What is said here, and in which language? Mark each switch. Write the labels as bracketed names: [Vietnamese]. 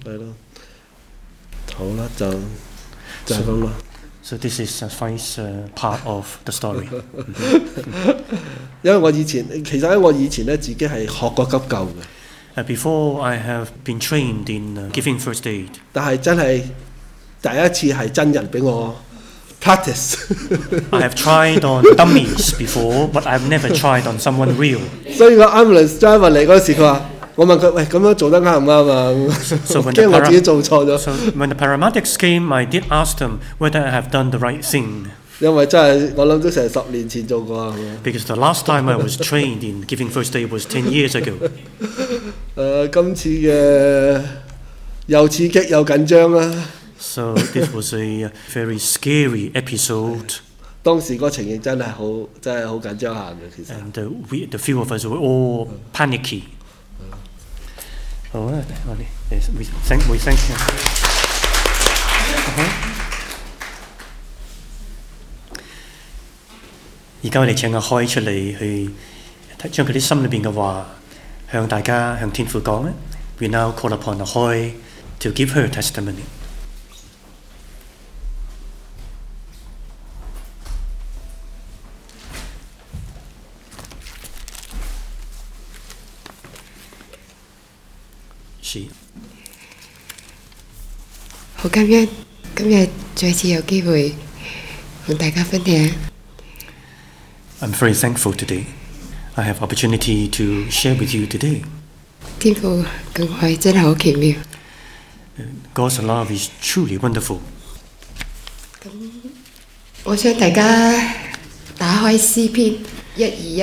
[Cantonese] 係咯，好啦，就咁啦。 [English] So this is the first part of the story. [Cantonese] 因為我以前其實我以前咧自己係學過急救嘅。 [English] Before I have been trained in giving first aid. [Cantonese] 但係真係第一次係真人俾我。 [English] Practice. I have tried on dummies before, but I've never tried on someone real. So the ambulance driver [Cantonese] 嚟嗰時，佢話：我問佢，喂，咁樣做得啱唔啱啊？驚我自己做錯咗。 [English] So when the paramedics came, I did ask them whether I have done the right thing. [Cantonese] 因為真係我諗都成十年前做過啊。 [English] Because the last time I was trained in giving first aid was 10 years ago. [Cantonese] 今次嘅又刺激又緊張啊！ [English] So this was a very scary episode. [Cantonese] 當時個情形真係好，真係好緊張下嘅。其實 [English] ，and the few of us were all panicky. [Cantonese] 好啊，我哋 [English] we thank you. [Cantonese] Okay. 而家我哋請阿開出嚟，去將佢啲心裏邊嘅話向大家向天父講咧。 [English] We now call upon 阿開 to give her testimony. [Cantonese] 好感恩，今日再次有機會同大家分享。 [English] I'm very thankful today. I have opportunity to share with you today. [Cantonese] 天父嘅愛真係好奇妙。 [English] God's love is truly wonderful. [Cantonese] 咁，我想大家打開詩篇一二一。